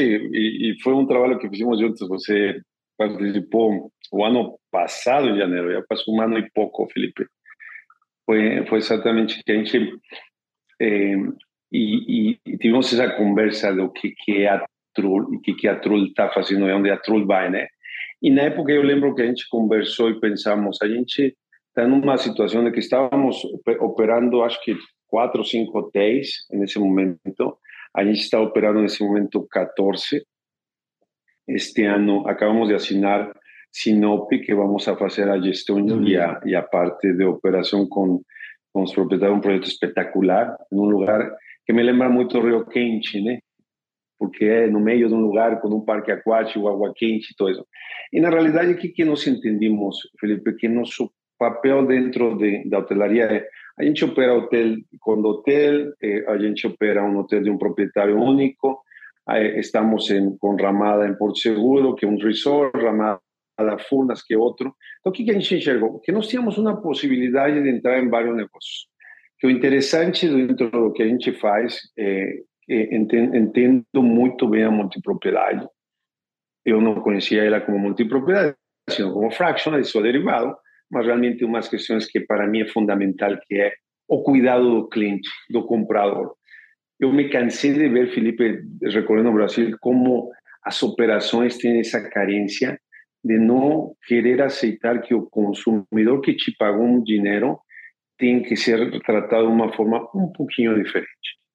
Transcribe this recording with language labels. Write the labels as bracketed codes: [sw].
[pt] E foi um trabalho que fizemos juntos, você participou o ano passado, em janeiro, já passou 1 ano e pouco, Felipe. Foi exatamente que a gente... E tivemos essa conversa do que é a Tru, e o que a Tru está fazendo, e onde a Tru vai, né? E na época eu lembro que a gente conversou e pensamos, a gente... [es] en una situación de que estábamos operando, [pt] acho que [es] 4 o 5 [pt] hotéis [es] en ese momento. [pt] A gente está operando [es] en ese momento 14. Este año acabamos de asignar Sinope, que vamos a hacer a gestión y a parte de operación con los propietarios, un proyecto espectacular en un lugar que [pt] me lembra [es] mucho Río Quente, ¿no? Porque es en medio de un lugar con un parque acuático, [pt] agua quente [es] y todo eso. Y en realidad, ¿qué nos entendimos, Felipe? Que nos papel dentro de hotelería, [pt] a gente opera hotel con hotel, a gente opera [es] un hotel de un propietario único, estamos con Ramada en Porto Seguro, que un resort, Ramada Furnas, que otro. Entonces, ¿qué [pt] a gente enxergó? [es] Que nos teníamos una posibilidad de entrar en varios negocios. Que lo interesante dentro de lo que [pt] a gente faz, [es] entiendo muy bien a multipropiedad. Yo no conocía ella como multipropiedad, sino como fraction, de su derivado. [pt] Mas realmente umas questões que para mim é fundamental, que é o cuidado do cliente, do comprador. Eu me cansei de ver, Felipe, recorrendo ao Brasil, como as operações têm essa carência de não querer aceitar que o consumidor que te pagou um dinheiro tem que ser tratado de uma forma um pouquinho diferente.